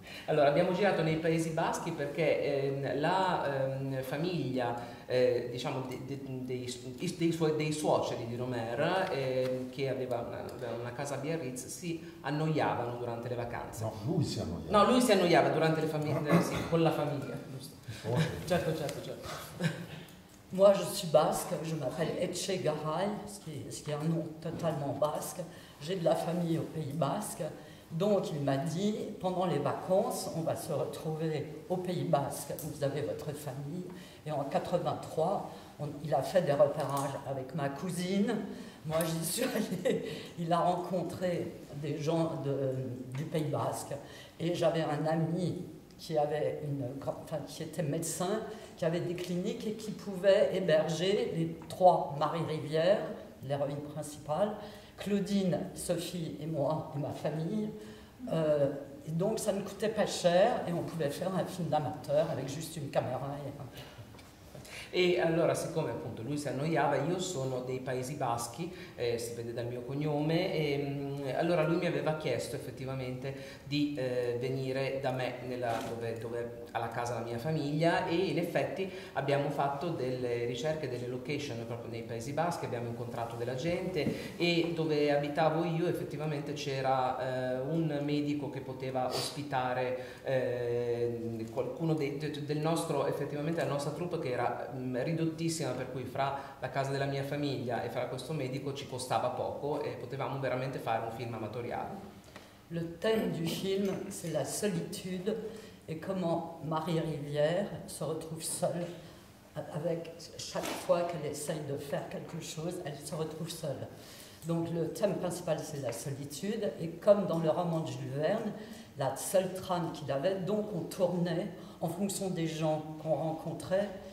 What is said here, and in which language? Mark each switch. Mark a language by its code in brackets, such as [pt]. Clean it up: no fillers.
[it] Allora, abbiamo girato nei Paesi Baschi perché la famiglia, diciamo, dei suoceri di Romer, che aveva una casa a Biarritz, si annoiavano durante le vacanze. No, lui si annoiava. No, lui si annoiava durante le famiglie, sì, con la famiglia. Certo, certo, certo. [fr] Moi, je suis basque, je m'appelle Etche Garay, ce qui est un nom totalement basque. J'ai de la famille au Pays Basque. Donc, il m'a dit, pendant les vacances, on va se retrouver au Pays Basque, où vous avez votre famille. Et en 83, il a fait des repérages avec ma cousine. Moi, j'y suis allée. Il a rencontré des gens du Pays Basque. Et j'avais un ami qui était médecin, qui avait des cliniques et qui pouvait héberger les trois Marie Rivière, l'héroïne principale, Claudine, Sophie et moi, et ma famille. Et donc ça ne coûtait pas cher et on pouvait faire un film d'amateur avec juste une caméra. [it] E allora, siccome appunto lui si annoiava, io sono dei Paesi Baschi, si vede dal mio cognome, e allora lui mi aveva chiesto effettivamente di venire da me dove alla casa della mia famiglia, e in effetti abbiamo fatto delle ricerche, delle location proprio nei Paesi Baschi, abbiamo incontrato della gente, e dove abitavo io effettivamente c'era un medico che poteva ospitare qualcuno del nostro, effettivamente la nostra troupe, che era ridottissima, per cui fra la casa della mia famiglia e fra questo medico ci costava poco e potevamo veramente fare un film amatoriale. [fr] Le thème du film, c'est la solitude et comment Marie Rivière se retrouve seule avec chaque fois qu'elle essaye de faire quelque chose, elle se retrouve seule. Donc le thème principal, c'est la solitude, et comme dans le roman de Jules Verne, la seule trame qu'il avait, donc on tournait en fonction des gens qu'on rencontrait.